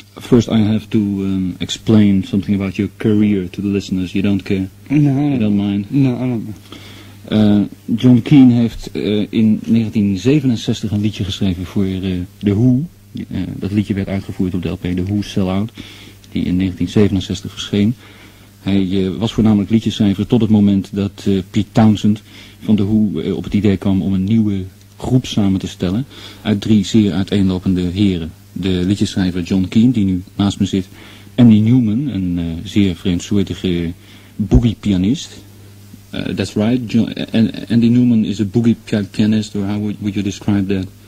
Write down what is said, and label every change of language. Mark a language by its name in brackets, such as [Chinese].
[English] First, I have to explain something about your career to the listeners. You don't care? No. You don't mind? No, I don't mind. [Dutch] John Keane heeft in 1967 een liedje geschreven voor The Who. Dat liedje werd uitgevoerd op de LP The Who Sell Out, die in 1967 verscheen. Hij was voornamelijk liedjeschrijver tot het moment dat Pete Townshend van The Who op het idee kwam om een nieuwe groep samen te stellen uit 3 zeer uiteenlopende heren. De liedjeschrijver John Keane, die nu naast me zit, Andy Newman, een zeer vreemdsoortige boogie-pianist. [English] That's right, John, Andy Newman is a boogie-pianist, or how would you describe that?